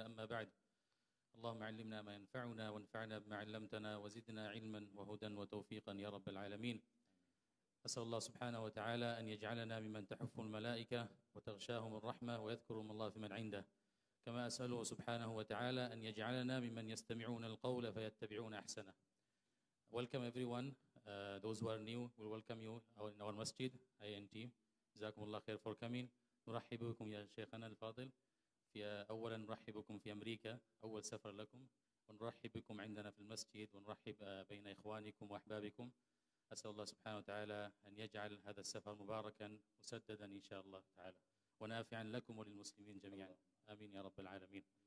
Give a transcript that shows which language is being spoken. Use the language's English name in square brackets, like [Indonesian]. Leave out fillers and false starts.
[Arabic] أما بعد، اللهم علمنا ما ينفعنا وانفعنا بما علمتنا وزدنا علما وهدى وتوفيقا يا رب العالمين. أسأل الله سبحانه وتعالى أن يجعلنا ممن تحف الملائكة وتغشاهم الرحمة ويذكرهم الله في من عنده، كما أسأله سبحانه وتعالى أن يجعلنا ممن يستمعون القول فيتبعون أحسنه. [English] Welcome everyone, those who are new, we'll welcome you in our masjid, INT. [Arabic] جزاكم الله خير [English] for coming. [Arabic] نرحب بكم يا شيخنا الفاضل. في أولا نرحب بكم في أمريكا، أول سفر لكم. ونرحب بكم عندنا في المسجد ونرحب بين إخوانكم وأحبابكم. أسأل الله سبحانه وتعالى أن يجعل هذا السفر مباركا مسددا إن شاء الله تعالى ونافعا لكم وللمسلمين جميعا. آمين يا رب العالمين.